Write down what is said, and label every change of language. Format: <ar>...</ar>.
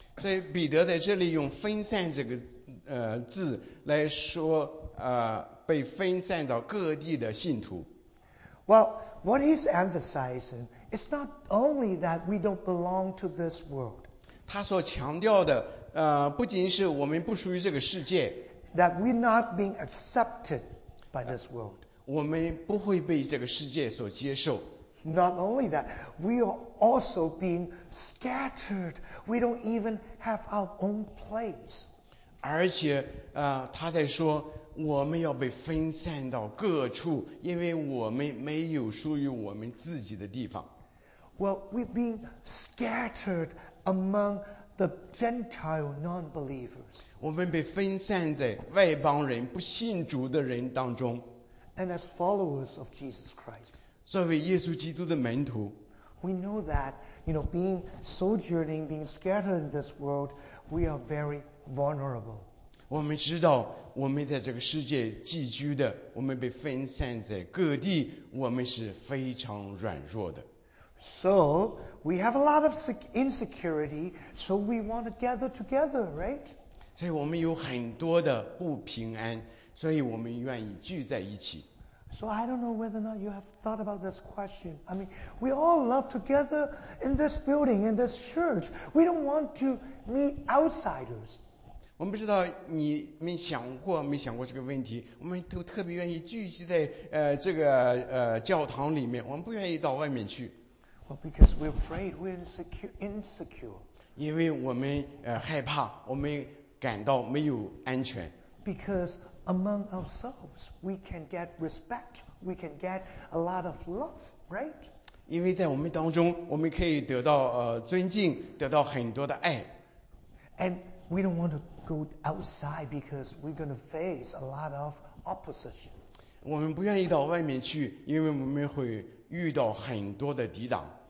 <zh>所以彼得在这里用分散这个字来说被分散到各地的信徒。</zh> <en>Well, what he's emphasizing is not only that we don't belong to this world.</en> <zh>他所强调的不仅是我们不属于这个世界。</zh> <en>That we're not being accepted by this world.</en> <zh>我们不会被这个世界所接受。</zh> <en>Not only that, we are also being scattered. We don't even have our own place.</en> <zh>而且他在说我们要被分散到各处，因为我们没有属于我们自己的地方。</zh> <en>Well, we're being scattered among the Gentile non-believers.</en> <zh>我们被分散在外邦人不信主的人当中。</zh> <en>And as followers of Jesus Christ,</en> <zh>作为耶稣基督的门徒，</zh> <en>we know that, you know, being sojourning, being scattered in this world, we are very vulnerable.</en> <zh>我们知道，我们在这个世界寄居的，我们被分散在各地，我们是非常软弱的。</zh> <en>So we have a lot of insecurity, so we want to gather together, right?</en> <zh>所以我们有很多的不平安。所以我们愿意聚在一起。</zh> <en>So I don't know whether or not you have thought about this question. I mean, we all love together in this building, in this church. We don't want to meet outsiders.</en> <zh>我们不知道你们想过没想过这个问题。我们都特别愿意聚集在这个教堂里面。我们不愿意到外面去。</zh> <en>Well, because we're afraid, we're insecure.</en> <zh>因为我们害怕，我们感到没有安全。</zh> <en>Because among ourselves, we can get respect, we can get a lot of love, right?</en> <zh>因为在我们当中，我们可以得到尊敬，得到很多的爱。</zh> <en>And we don't want to go outside because we're going to face a lot of opposition.</en> <zh>我们不愿意到外面去，因为我们会遇到很多的抵挡。</zh>